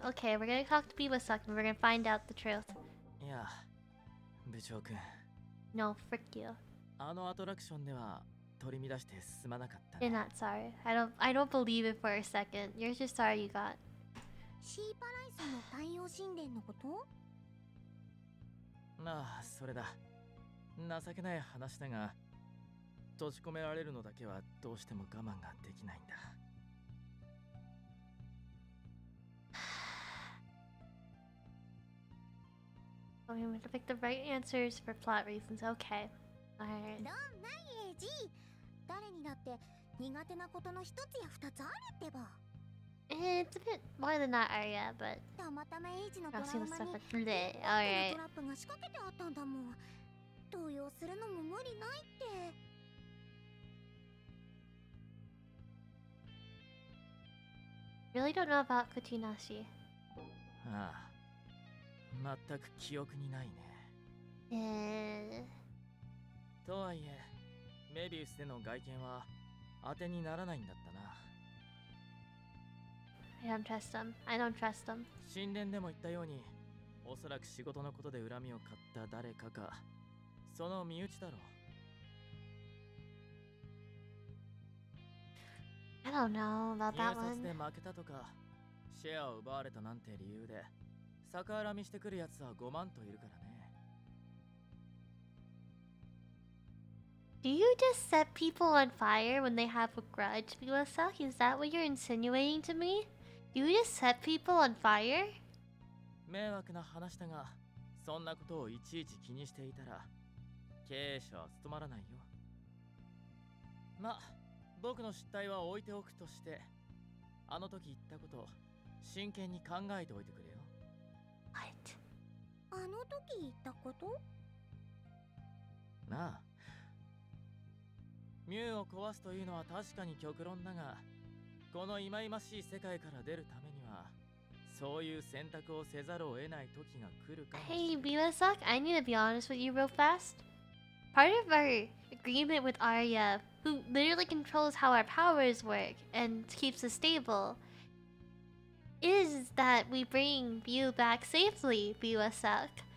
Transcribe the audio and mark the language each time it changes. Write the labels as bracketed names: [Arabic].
[English] Okay, we're gonna talk to Biwasak and we're gonna find out the truth. [Japanese] Yeah. 部長くん。 [English] No, frick you. [Japanese] あのアトラクションでは取り乱して進まなかった。 [English] You're not sorry. I don't believe it for a second. You're just sorry you got... [Japanese] シーパライさんの太陽神殿のこと？ああ、それだ。情けない話だが、閉じ込められるのだけはどうしても我慢ができないんだ。 [English] I'm going to pick the right answers for plot reasons. Okay. Alright. [Japanese] どんない、エイジ。誰にだって苦手なことの一つや二つあるってば。 [English] It's a bit more than that area, but... [Japanese] たまたまエイジのトラウマに、エイジのトラップが仕掛けてあったんだもん。動揺するのも無理ないって。 [English] Really don't know about Kutinashi. [Japanese] ああ、全く記憶にないね。とはいえ、メビウスでの外見は当てにならないんだったな。 [English] I don't trust them. I don't trust them. [Japanese] 神殿でも言ったように、おそらく仕事のことで恨みを買った誰かか。その身内だろう。 [English] I don't know about that one. [Japanese] 警察で負けたとか、シェアを奪われたなんて理由で逆恨みしてくるやつは5万といるからね。 [English] Do you just set people on fire when they have a grudge, Biwasa? Is that what you're insinuating to me? Do you just set people on fire? [Japanese] 迷惑な話だが、そんなことをいちいち気にしていたら経営者は務まらないよ。まあ、僕の失態は置いておくとして、あの時言ったこと、真剣に考えておいてくれよ。 [English] What? [Japanese] あの時言ったこと？なあ、ミュウを壊すというのは確かに極論だが、この忌々しい世界から出るためには、そういう選択をせざるを得ない時が来るかもしれない。 [English] Hey, Biwasak, I need to be honest with you real fast. Part of our agreement with Arya, who literally controls how our powers work and keeps us stable, is that we bring Bu back safely, Buasuk.